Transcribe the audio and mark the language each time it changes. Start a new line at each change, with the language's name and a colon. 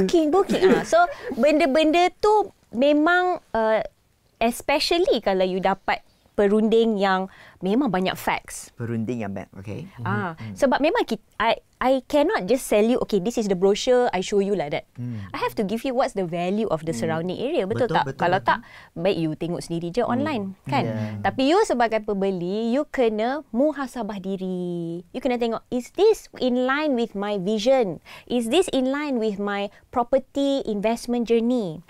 Malay: Booking. So, benda-benda tu memang, especially kalau you dapat perunding yang memang banyak facts. Perunding yang banyak, okay. Sebab memang kita,
English: I cannot just sell you, okay, this is the brochure, I show you like that. I have to give you what's the value of the surrounding area,
Malay: betul tak? Betul, kalau tak, baik you tengok sendiri je online, kan? Yeah. Tapi you sebagai pembeli, you kena muhasabah diri. You kena tengok,
English: is this in line with my vision? Is this in line with my property investment journey?